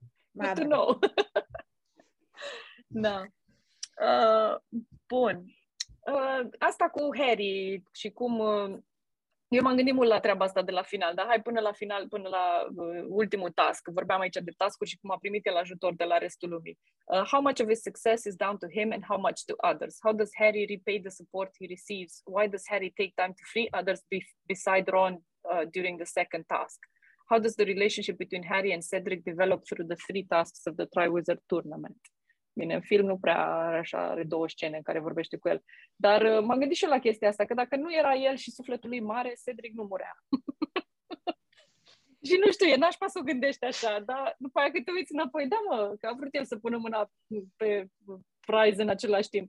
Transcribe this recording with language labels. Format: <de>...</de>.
<ro>mai tu nou. Da. Bun. Asta cu Harry și cum... Eu m-am gândit mult la treaba asta de la final, dar hai până la final, până la ultimul task. Vorbeam aici de task-uri și cum a primit el ajutor de la restul lumii.</ro> <en>How much of his success is down to him and how much to others? How does Harry repay the support he receives? Why does Harry take time to free others beside Ron during the second task? How does the relationship between Harry and Cedric develop through the three tasks of the Triwizard Tournament?</en> <ro>Bine, în film nu prea are așa, are două scene în care vorbește cu el. Dar m-am gândit și la chestia asta, că dacă nu era el și sufletul lui mare, Cedric nu murea. Și nu știu, e nașpa să o gândești așa, dar după aia când te uiți înapoi, da mă, că a vrut el să pună mâna pe prize în același timp.</ro>